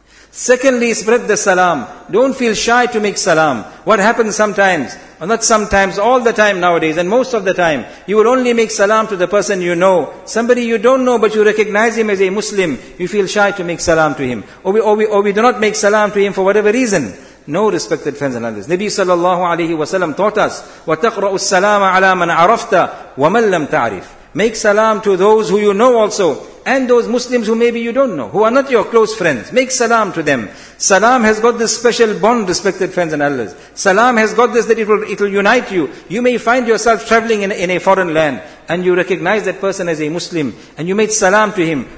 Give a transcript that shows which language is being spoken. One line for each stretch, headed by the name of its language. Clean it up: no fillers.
English: Secondly, spread the salam. Don't feel shy to make salam. What happens sometimes, or not sometimes, all the time nowadays, and most of the time, you will only make salam to the person you know. Somebody you don't know, but you recognize him as a Muslim, you feel shy to make salam to him. Or we do not make salam to him for whatever reason. No, respected friends and elders. Nabi sallallahu alayhi wa sallam taught us,
Arabic: وَتَقْرَأُ السَّلَامَ عَلَى مَنْ عَرَفْتَ وَمَنْ لَمْ تَعْرِفْ.
English: Make salam to those who you know also, and those Muslims who maybe you don't know, who are not your close friends. Make salam to them. Salam has got this special bond, respected friends and elders. Salam has got this, that it will unite you. You may find yourself traveling in a foreign land, and you recognize that person as a Muslim, and you made salam to him.